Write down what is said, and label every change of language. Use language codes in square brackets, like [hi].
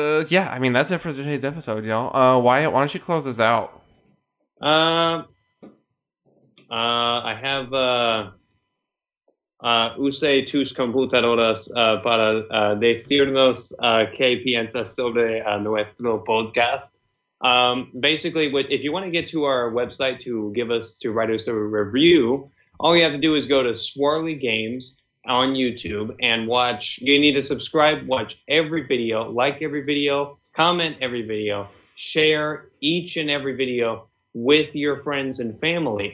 [en] Yeah, I mean, that's it for today's episode, y'all. Wyatt, why don't you close this out? I have [es] use tus computadoras para decirnos que piensas sobre nuestro podcast. [en] Basically, if you want to get to our website to write us a review, all you have to do is go to Swirly Games on YouTube and watch. You need to subscribe, watch every video, like every video, comment every video, share each and every video with your friends and family.